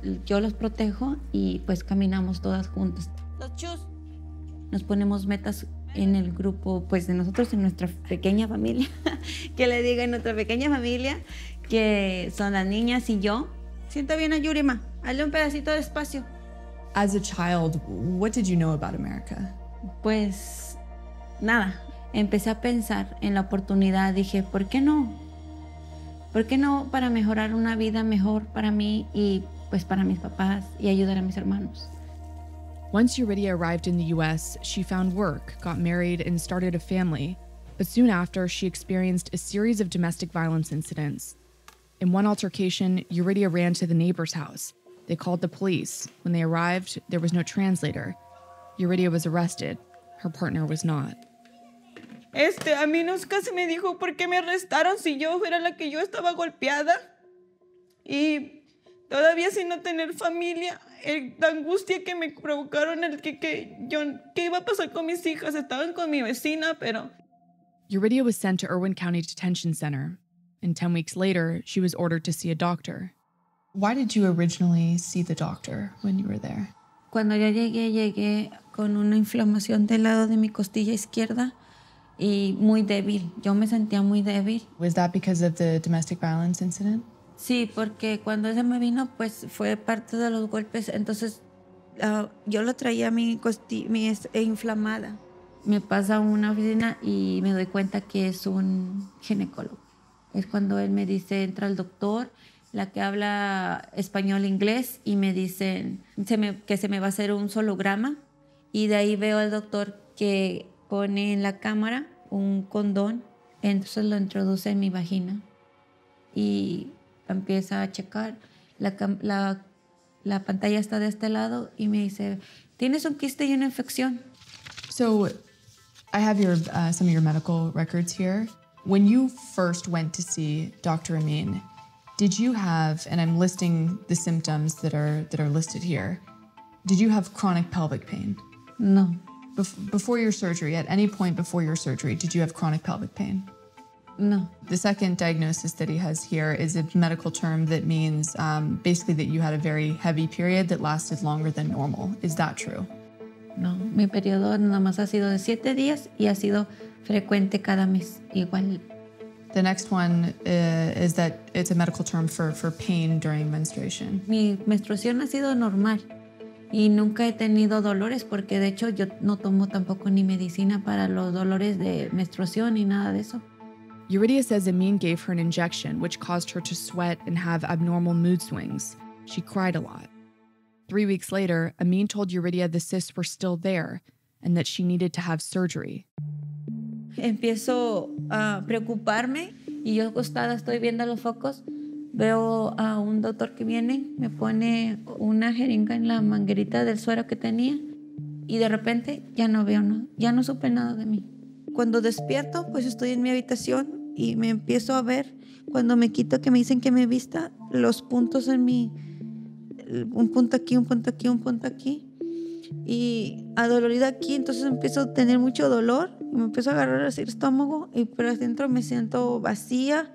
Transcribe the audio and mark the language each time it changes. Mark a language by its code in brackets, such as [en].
[es] Yo los protejo y pues caminamos todas juntas. Los chus. Nos ponemos metas en el grupo, pues de nosotros, en nuestra pequeña familia, que le diga en nuestra pequeña familia, que son las niñas y yo. Siento bien a Yuri, ma. Hazle un pedacito de espacio. [en] As a child, what did you know about America? [es] Pues, nada. Empecé a pensar en la oportunidad. Dije, ¿por qué no? ¿Por qué no para mejorar una vida mejor para mí y pues para mis papás y ayudar a mis hermanos? [en] Once Yuridia arrived in the U.S., she found work, got married, and started a family. But soon after, she experienced a series of domestic violence incidents. In one altercation, Yuridia ran to the neighbor's house. They called the police. When they arrived, there was no translator. Yuridia was arrested. Her partner was not. [es] A mí nunca se me dijo por qué me arrestaron si yo era la que yo estaba golpeada. Y todavía sin no tener familia, la angustia que me provocaron, ¿qué iba a pasar con mis hijas? Estaban con mi vecina, pero... [en] Yuridia was sent to Irwin County Detention Center. And 10 weeks later, she was ordered to see a doctor. Why did you originally see the doctor when you were there? [es] Cuando yo llegué, llegué con una inflamación del lado de mi costilla izquierda y muy débil. Yo me sentía muy débil. [en] Was that because of the domestic violence incident? [es] Sí, porque cuando ella me vino, pues fue parte de los golpes. Entonces, yo lo traía a mi costilla, mi inflamada. Me pasa a una oficina y me doy cuenta que es un ginecólogo. Es cuando él me dice, entra el doctor, la que habla español e inglés, y me dicen que se me va a hacer un sonograma. Y de ahí veo al doctor que pone en la cámara un condón, entonces lo introduce en mi vagina y empieza a checar. La pantalla está de este lado y me dice, ¿tienes un quiste y una infección? [en] So, I have your some of your medical records here. When you first went to see Dr. Amin, did you have, and I'm listing the symptoms that are listed here, did you have chronic pelvic pain? No. Before your surgery, at any point before your surgery, did you have chronic pelvic pain? No. The second diagnosis that he has here is a medical term that means basically that you had a very heavy period that lasted longer than normal. Is that true? No. [es] Mi periodo nada más ha sido de 7 días y ha sido frecuente cada mes, igual. [en] The next one is that it's a medical term for pain during menstruation. [es] Mi menstruación ha sido normal. Y nunca he tenido dolores porque, de hecho, yo no tomo tampoco ni medicina para los dolores de menstruación ni nada de eso. [en] Yuridia says Amin gave her an injection, which caused her to sweat and have abnormal mood swings. She cried a lot. 3 weeks later, Amin told Yuridia the cysts were still there and that she needed to have surgery. [es] Empiezo a preocuparme y yo acostada estoy viendo los focos. Veo a un doctor que viene, me pone una jeringa en la manguerita del suero que tenía y de repente ya no veo nada, ya no supe nada de mí. Cuando despierto, pues estoy en mi habitación y me empiezo a ver, cuando me quito, que me dicen que me vista, los puntos en mi, un punto aquí, un punto aquí, un punto aquí, y adolorida aquí, entonces empiezo a tener mucho dolor y me empiezo a agarrar así el estómago y por adentro me siento vacía.